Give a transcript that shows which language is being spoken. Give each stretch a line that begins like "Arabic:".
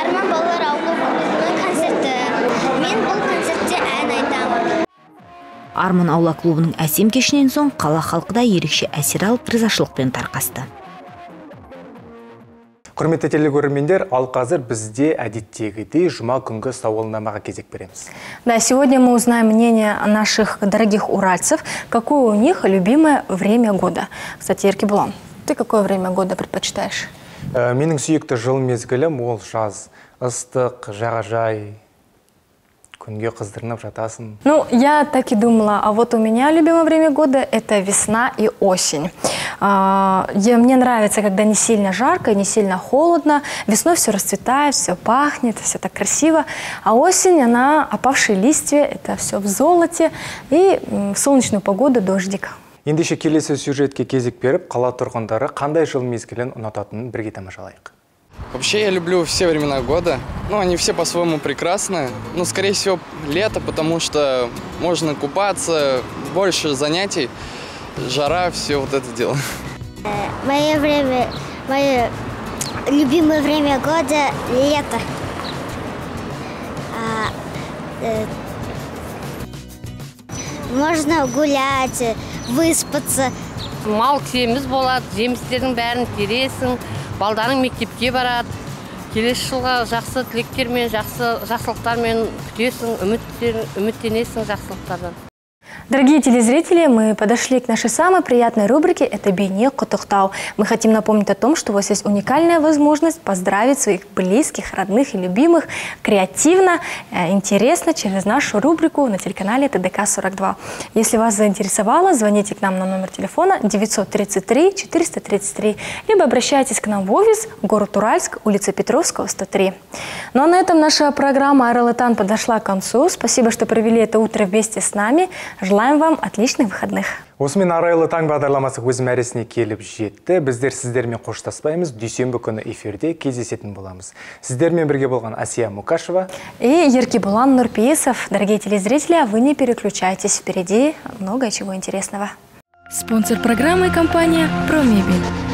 Kazakh: Арман балалар аулының концерті. Мен бұл концертте ән айтамын. Арман аула клубының әсем кешінен соң қала халқы да ерекше әсер алып, ризашылықпен тарқасты. Құрметті телекөрермендер, ал қазір бізде әдеттегідей жұма күнгі сауалнамаға кезек береміз.
Russian: Да, сегодня мы узнаем мнение наших дорогих уральцев, какое у них любимое время года. Кстати, Еркебұлан, ты какое время года предпочитаешь?
Kazakh: Менің сүйікті жыл мезгілім ол жаз, ыстық, жағажай, күнге қыздырынып жатасын.
Russian: Ну, я так и думала, а вот у меня любимое время года – это весна и осень. Мне нравится, когда не сильно жарко, не сильно холодно. Весной все расцветает, все пахнет, все так красиво. А осень, она опавшие листья, это все в золоте. И в солнечную погоду дождик. Ендеше келесі сюжетке кезек беріп, қала тұрғындары қандай жыл мезгілін ұнататынын бірге тамашалайық. Вообще я люблю все времена года. Ну, они все по-своему прекрасны. Ну, скорее всего, лето, потому что можно купаться, больше занятий. Жара, все вот это дело. Мое любимое время года – лето. Можно гулять, выспаться.
Kazakh: Мал семиз болады, жемістердің бәрін тересін, балдарын мектепке барады. Келес жылға жақсы тілектермен, жақсылықтармен күтесін, үміттенесін жақсылықтардан.
Russian: Дорогие телезрители, мы подошли к нашей самой приятной рубрике – это бейне Кутықтау. Мы хотим напомнить о том, что у вас есть уникальная возможность поздравить своих близких, родных и любимых креативно, интересно через нашу рубрику на телеканале ТДК-42. Если вас заинтересовало, звоните к нам на номер телефона 933-433, либо обращайтесь к нам в офис, город Уральск, улица Петровского, 103. Ну а на этом наша программа «Арылатан» подошла к концу. Спасибо, что провели это утро вместе с нами. Желаем вам отличных выходных.
Kazakh: Осымен арайлы таң бағдарламасы өз мәресіне келіп жетті. Біздер сіздермен қоштаспаймыз. Дүйсенбі күні эфирде кездесетін боламыз. Сіздермен бірге болған Асия Мукашева.
Russian: И Еркебұлан Нұрпейісов. Дорогие телезрители, вы не переключайтесь. Впереди много чего интересного. Спонсор программы – компания «Промебель».